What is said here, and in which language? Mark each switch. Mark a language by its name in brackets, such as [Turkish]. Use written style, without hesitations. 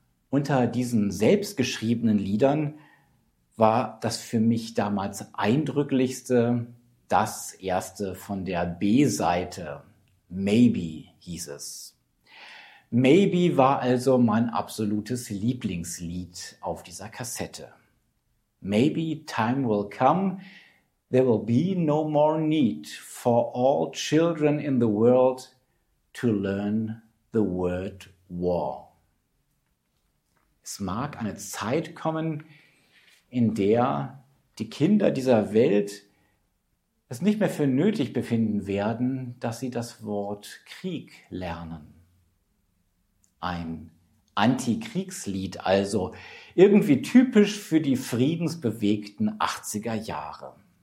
[German] Unter diesen selbstgeschriebenen Liedern war das für mich damals eindrücklichste das erste von der B-Seite. Maybe hieß es. Maybe war also mein absolutes Lieblingslied auf dieser Kassette. [English] Maybe time will come. There will be no more need for all children in the world to learn the word war. [German] Es mag eine Zeit kommen, in der die Kinder dieser Welt es nicht mehr für nötig befinden werden, dass sie das Wort Krieg lernen. Ein Antikriegslied also, irgendwie typisch für die friedensbewegten 80er Jahre.